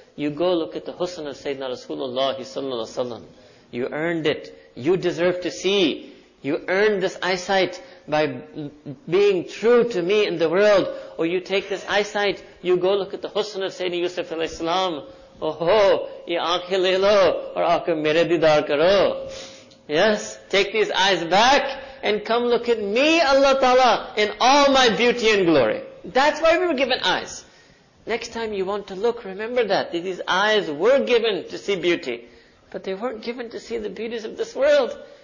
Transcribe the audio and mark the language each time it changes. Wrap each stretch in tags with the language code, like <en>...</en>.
<en>You go look at the husn of Sayyidina Rasulullah sallallahu alaihi wasallam. You earned it. You deserve to see. You earned this eyesight by being true to me in the world. Or you take this eyesight, you go look at the husn of Sayyidina Yusuf alaihi wasallam.</en> <ur>او ہو، یے آنکھ لے لو اور آکے میرے دیدار کرو.</ur> <en>Yes, take these eyes back and come look at me, Allah Ta'ala, in all my beauty and glory. That's why we were given eyes. Next time you want to look, remember that. These eyes were given to see beauty. But they weren't given to see the beauties of this world.</en>